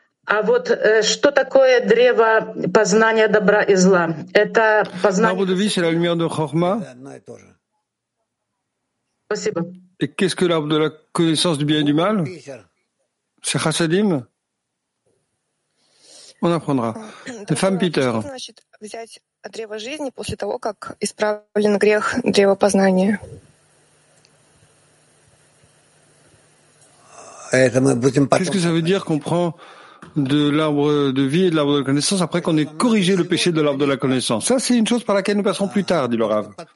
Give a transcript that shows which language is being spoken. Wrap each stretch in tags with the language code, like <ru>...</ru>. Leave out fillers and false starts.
<ru>А вот что такое древо познания добра и зла? Это познание.</ru> <fr>L'arbre de vie, c'est la lumière de Chokhmah.</fr> <ru>Спасибо.</ru> <fr>Et qu'est-ce que l'arbre de la connaissance du bien et du mal? C'est Chassadim. On apprendra. Les femmes Peter.</fr> <ru>Взять древо жизни после того, как исправлен грех древо познания. Это мы будем потом.</ru> <fr>Qu'est-ce que ça veut dire qu'on prend de l'arbre de vie et de l'arbre de la connaissance après qu'on ait corrigé le péché de l'arbre de la connaissance. Ça, c'est une chose par laquelle nous passerons plus tard, dit le Rav.</fr>